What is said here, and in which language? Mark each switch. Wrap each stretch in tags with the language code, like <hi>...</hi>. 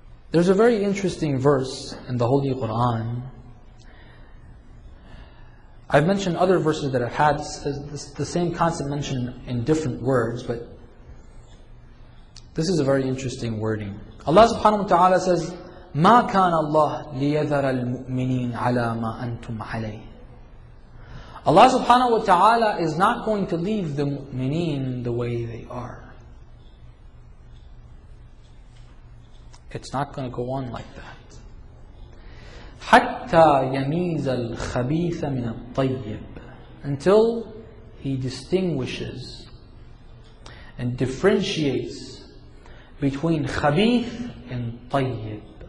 <en>There's a very interesting verse in the Holy Quran. I've mentioned other verses that have had the same concept mentioned in different words, but this is a very interesting wording. Allah subhanahu wa ta'ala says,</en> <ar>مَا كَانَ اللَّهُ لِيَذَرَ الْمُؤْمِنِينَ عَلَى مَا أَنْتُمْ عَلَيْهِ.</ar> <en>Allah subhanahu wa ta'ala is not going to leave the mu'mineen the way they are. It's not going to go on like that.</en> <ar>حَتَّى يَمِيزَ الْخَبِيثَ مِنَ الطَّيِّبِ</ar> <en>Until he distinguishes and differentiates between خَبِيث and طَيِّب.</en>